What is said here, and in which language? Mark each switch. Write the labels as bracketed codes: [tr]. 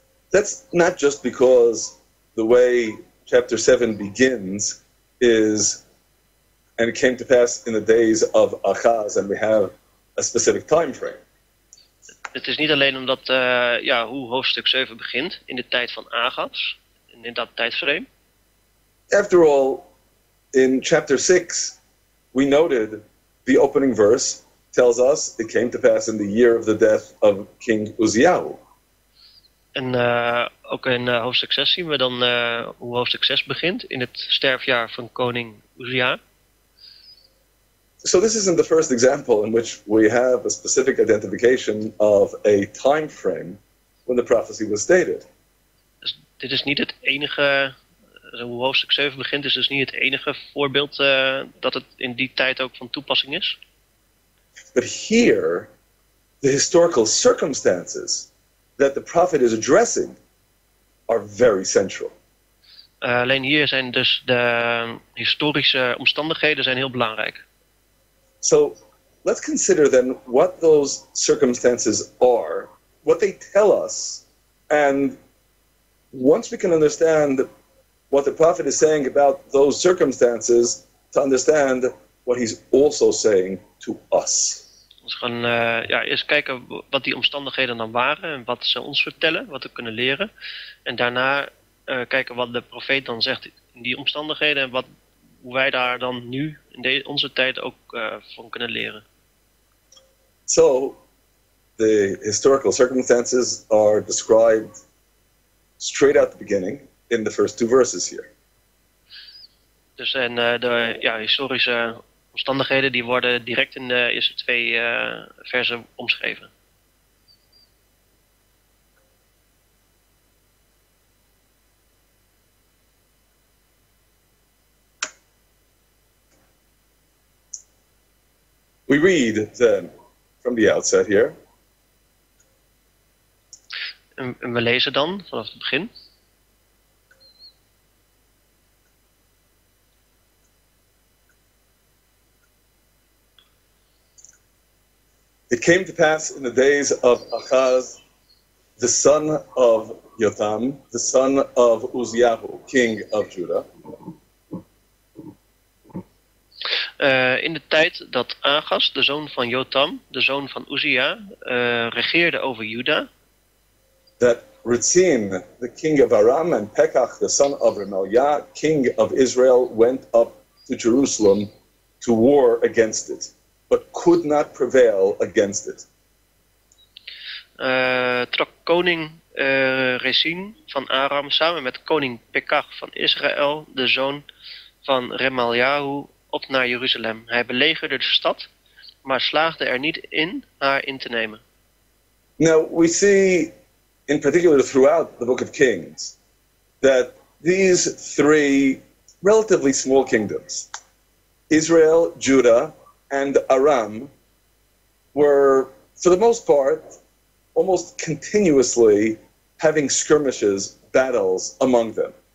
[en] That's not just because the way chapter 7 begins is, and it came to pass in the days of Achaz, and we have a specific time frame. [nl] Het is niet alleen omdat hoe hoofdstuk 7 begint in de tijd van Achaz, in dat tijdframe. [en] After all, in chapter 6, we noted the opening verse tells us it came to pass in the year of the death of King Uzziah. [nl] En ook in hoofdstuk 6 zien we dan hoe hoofdstuk 6 begint, in het sterfjaar van koning Uzziah. [en] So this isn't the first example in which we have a specific identification of a time frame when the prophecy was stated. [nl] Dus dit is niet het enige, hoe hoofdstuk 7 begint, is dus niet het enige voorbeeld dat het in die tijd ook van toepassing is. [en] But here, the historical circumstances that the prophet is addressing are very central. [nl] Alleen hier zijn dus de historische omstandigheden zijn heel belangrijk. [en] So let's consider then what those circumstances are, what they tell us, and once we can understand what the prophet is saying about those circumstances, to understand what he's also saying to us. [nl] We gaan eerst kijken wat die omstandigheden dan waren en wat ze ons vertellen, wat we kunnen leren. En daarna kijken wat de profeet dan zegt in die omstandigheden en hoe wij daar dan nu in onze tijd ook van kunnen leren. [en] So, the historical circumstances are described straight at the beginning in the first two verses here. [nl] Dus en historische omstandigheden die worden direct in de eerste twee versen omschreven. [en] We read then from the outset here. [nl] En we lezen dan vanaf het begin. [en] It came to pass in the days of Achaz, the son of Jotham, the son of Uzziahu, king of Judah. [nl] In de tijd dat Achaz, de zoon van Jotham, de zoon van Uzziah, regeerde over Juda. [en] That Ritzin, the king of Aram, and Pekach, the son of Remaliah, king of Israel, went up to Jerusalem to war against it. But could not prevail against it. [nl] Trok koning Rezin van Aram samen met koning Pekach van Israël, de zoon van Remaliahu, op naar Jeruzalem. Hij belegerde de stad, maar slaagde er niet in haar in te nemen. [en] Now we see, in particular throughout the Book of Kings, that these three relatively small kingdoms, Israel, Judah, and Aram, were, for the most part, almost continuously having skirmishes, battles among them.